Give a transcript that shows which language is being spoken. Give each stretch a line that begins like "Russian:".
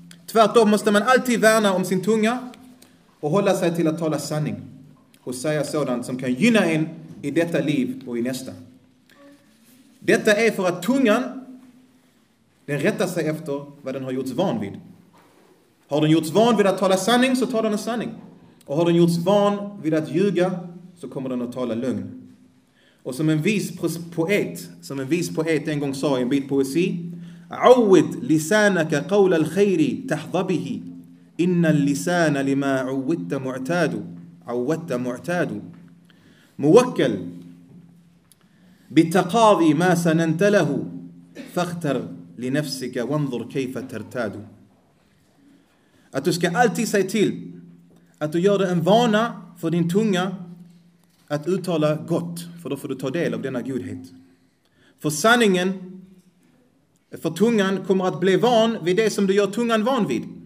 Swedish: Tvärtom måste man alltid värna om sin tunga och hålla sig till att tala sanning och säga sådant som kan gynna en i detta liv och i nästa. Detta är för att tungan, den rättar sig efter vad den har gjorts van vid. Har den gjorts van vid att tala sanning, så talar den sanning. Och har den gjorts van vid att ljuga, så kommer den att tala lögn. Och som en vis poet, en gång sa i en bit poesi:
Arabic: عود لسانك قول الخير تحظى به إن اللسان لما عودت معتاد عودت معتاد موكل بتقاضي ما سننت له فاختر لنفسك وانظر كيف ترتاد.
Swedish: Att du ska alltid säga till att du gör det en vana för din tunga att uttala gott, för då får du ta del av denna godhet. För sanningen, för tungan kommer att bli van vid det som du gör tungan van vid.